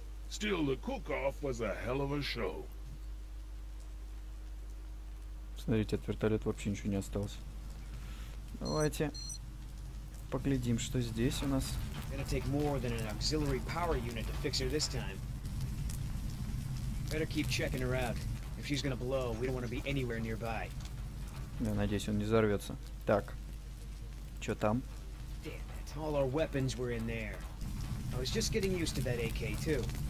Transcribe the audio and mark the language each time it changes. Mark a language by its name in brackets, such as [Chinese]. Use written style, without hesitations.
[English] Still, the cook-off was a hell of a show. [Russian] Смотрите, от вертолета вообще ничего не осталось. Давайте поглядим, что здесь у нас. Я надеюсь, он не взорвется. Так, что там? [English] All our weapons were in there. I was just getting used to that AK too.